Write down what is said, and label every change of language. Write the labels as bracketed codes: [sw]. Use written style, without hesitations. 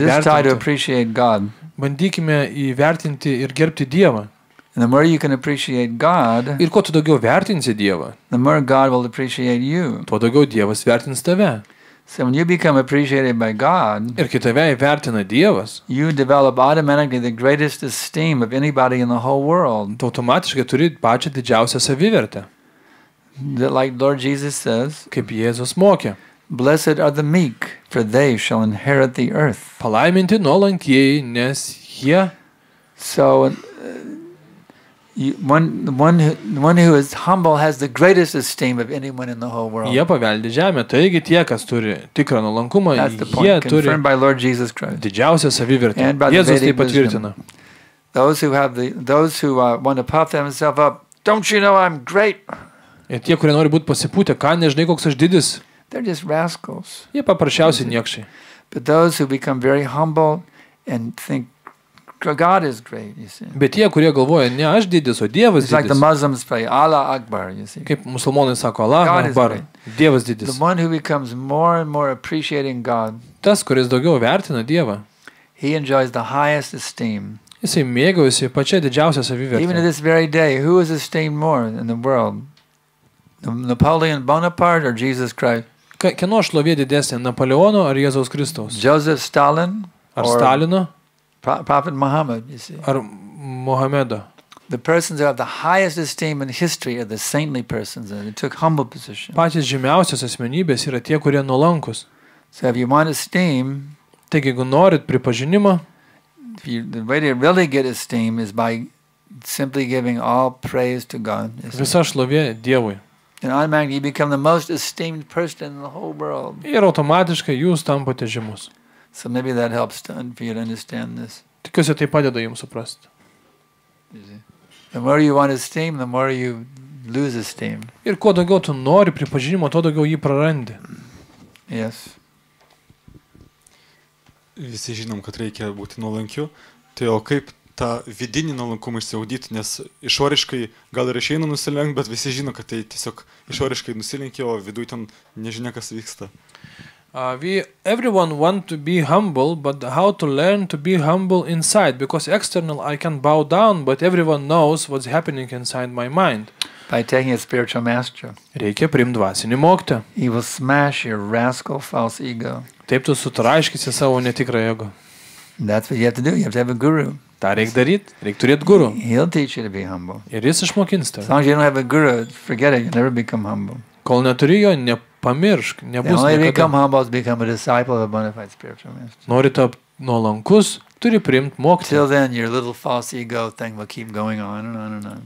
[en] just try to appreciate God. [lt] Bandykime įvertinti ir gerbti Dievą. [en] And the more you can appreciate God, [lt] ir kuo tu daugiau vertinsi Dievą, [en] the more God will appreciate you. [lt] Tuo daugiau Dievas vertins tave. [en] So when you become appreciated by God, [lt] ir kai tave įvertina Dievas, [en] you develop automatically the greatest esteem of anybody in the whole world. [lt] Tu automatiškai turi pačią didžiausią savivertę. [en] That like Lord Jesus says, [lt] kaip Jėzus mokė, [en] blessed are the meek, for they shall inherit the earth. [lt] Palaiminti nuolankieji, nes jie. [en] So one who is humble has the greatest esteem of anyone in the whole world. [lt] Jie paveldi žemę, taigi tie, kas turi tikrą nuolankumą, jie turi didžiausią savivertę. Jėzus tai patvirtina. [en] Those who want to puff themselves up, don't you know I'm great? [lt] Ir tie, kurie nori būti pasipūtę, ką nežinai, koks aš didis. [en] They're just rascals. [lt] Jie paprasčiausiai niekšai. [en] But those who become very humble and think God is great, you see. [lt] Bet tie, kurie galvoja, ne aš didis, o Dievas didis. [en] It's like the Muslims pray, Allah Akbar, you see. [lt] Kaip musulmonai sako, Allah Akbar, Dievas didis. [en] The one who becomes more and more appreciating God. [lt] Tas, kuris daugiau vertina Dievą. [en] He enjoys the highest esteem. [lt] Jisai mėgaujasi pačia didžiausia savivertė. [en] Even at this very day, who is esteemed more in the world? Napoleon Bonaparte or Jesus Christ? [lt] Kieno šlovė didesnė, Napoleono ar Jėzaus Kristaus? [en] Joseph Stalin? [lt] Ar Stalino? [en] Prophet Muhammad, you see. [lt] Ar Mohamedo? [en] The persons that have the highest esteem in history are the saintly persons and they took humble position. [lt] Patys žymiausios asmenybės yra tie, kurie nuolankus. [en] So if you want esteem, [lt] taigi, jeigu norit pripažinimo, [en] the way to really get esteem is by simply giving all praise to God. [lt] Visa šlovė Dievui. [en] And automatically you become the most esteemed person in the whole world. [lt] Ir automatiškai jūs tampate žymus. [en] So maybe that helps for you to understand this. [lt] Tikiuosi, tai padeda jums suprasti. [en] The more you want esteem, the more you lose esteem. [lt] Ir kuo daugiau tu nori pripažinimo, tuo daugiau jį prarandi. [en] Yes. [lt] Visi žinom, kad reikia būti nuolankiu. Tai o kaip tą vidinį nuolankumą išsiaudyti, nes išoriškai gal ir išeina nusilenkti, bet visi žino, kad tai tiesiog išoriškai nusilenkė, o viduj ten nežinia, kas vyksta. [en] Everyone want to be humble, but how to learn to be humble inside? Because external I can bow down, but everyone knows what's happening inside my mind. By taking a spiritual master. [lt] Reikia priimti dvasinį mokytą. [en] He will smash your rascal false ego. [lt] Taip tu sutraiškysi savo netikrą ego. [en] That's what you have to do. You have to have a guru. [lt] Tą reik daryt, reik turėt guru. [en] He'll teach you to be humble. [lt] Ir jis išmokins tave. [en] As long as you don't have a guru, forget it, you'll never become humble. [lt] Kol neturi jo, nepamiršk, nebus niekada. [en] Only become humble is become a disciple of a bona fide spiritual master. [lt] Nori tapt nuolankus, turi priimt mokyti. [en] Till then, your little false ego thing will keep going on and on and on.